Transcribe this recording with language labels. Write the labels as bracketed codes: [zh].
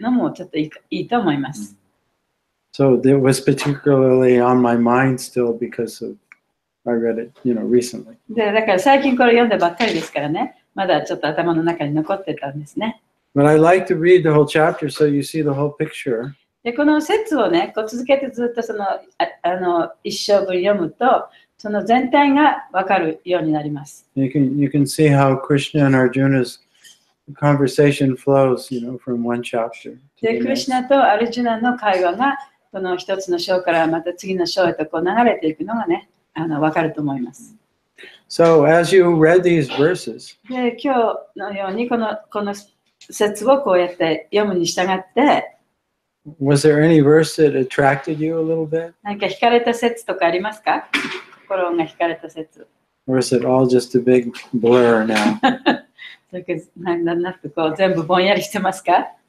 [ja] で、カルティックの間にね、そういう誓いを立てて、それを守っていくのもちょっといいと思います。 [en] So it was particularly on my mind still because of I read it, you know, recently. [ja] で、だから最近これ読んだばっかりですからね、まだちょっと頭の中に残ってたんですね。 [en] But I like to read the whole chapter so you see the whole picture. [ja] で、この節をね、こう続けてずっとその、一章分読むと、その全体が分かるようになります。 [en] You can see how Krishna and Arjuna's conversation flows, you know, from one chapter. [ja] で、クリシュナとアルジュナの会話が、この一つの章からまた次の章へとこう流れていくのがね、分かると思います。 [en] So, as you read these verses, [ja] で、今日のようにこの節をこうやって読むに従って、 [en] Was there any verse that attracted you a little bit? [ja] 何か惹かれた説とかありますか？心が惹かれた説。 [en] Or is it all just a big blur now? [ja] だけど、なんなくこう全部ぼんやりしてますか？